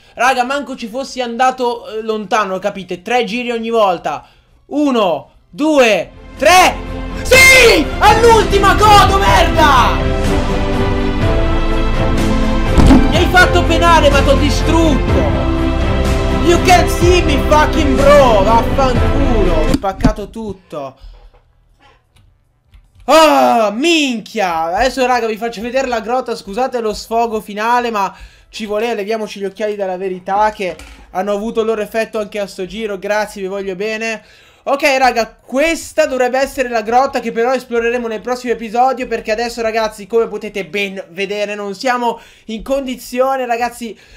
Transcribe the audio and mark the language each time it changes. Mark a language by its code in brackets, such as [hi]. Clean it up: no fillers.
[it] Raga, manco ci fossi andato lontano, capite? Tre giri ogni volta. Uno, due, tre. Sì! All'ultima godo, merda! Mi hai fatto penare, ma t'ho distrutto! [en] You can't see me, fucking bro! [it] Vaffanculo! Ho spaccato tutto! Oh, minchia! Adesso, raga, vi faccio vedere la grotta. Scusate lo sfogo finale, ma ci voleva. Leviamoci gli occhiali dalla verità, che hanno avuto il loro effetto anche a sto giro. Grazie, vi voglio bene. Ok, raga, questa dovrebbe essere la grotta che però esploreremo nel prossimo episodio, perché adesso, ragazzi, come potete ben vedere, non siamo in condizione, ragazzi.